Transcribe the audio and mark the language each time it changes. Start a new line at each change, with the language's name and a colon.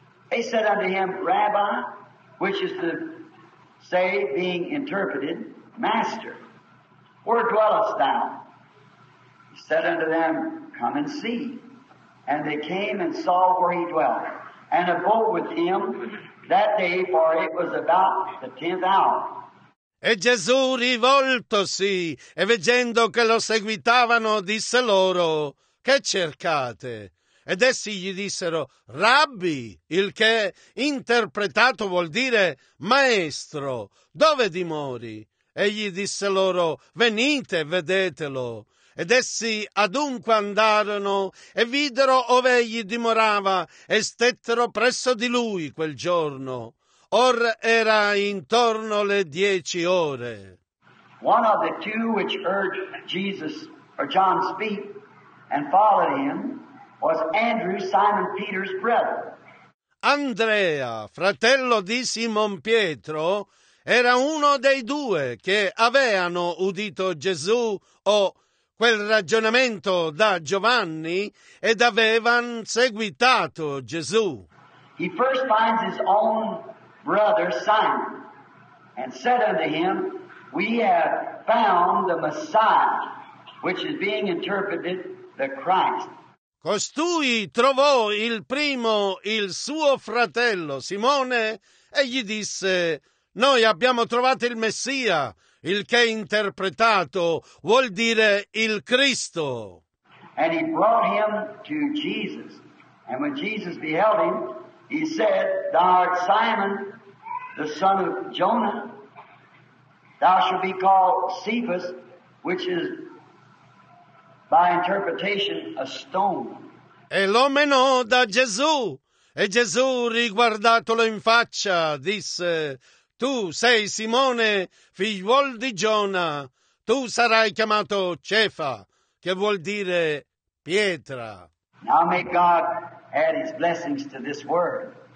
English: They said unto him, "Rabbi," which is to say, being interpreted, "Master, where dwellest thou?" He said unto them, "Come and see." And they came and saw where he dwelt, and abode with him that day, for it was about the 10th hour.
Italian: E Gesù, rivoltosi e veggendo che lo seguitavano, disse loro: "Che cercate?" Ed essi gli dissero: "Rabbi," il che interpretato vuol dire "maestro, dove dimori?" Egli disse loro: "Venite, vedetelo." Ed essi adunque andarono e videro ove egli dimorava e stettero presso di lui quel giorno. Or era intorno le 10 ore.
English: One of the two which heard Jesus or John speak and followed him was Andrew, Simon Peter's brother.
Italian: Andrea, fratello di Simon Pietro, era uno dei due che avevano udito Gesù o quel ragionamento da Giovanni ed avevano seguitato Gesù.
English: He first finds his own brother Simon and said unto him, "We have found the Messiah," which is being interpreted, "the Christ."
Italian: Costui trovò il primo, il suo fratello Simone, e gli disse: "Noi abbiamo trovato il Messia," il che interpretato vuol dire il Cristo.
English: And he brought him to Jesus, and when Jesus beheld him, he said, "Thou art Simon, the son of Jonah. Thou shalt be called Cephas," which is by interpretation a stone.
Italian: E lo menò da Gesù, e Gesù, riguardatolo in faccia, disse: "Tu sei Simone, figliuol di Giona, tu sarai chiamato Cefa," che vuol dire pietra.
English: Now may God add his blessings to this word.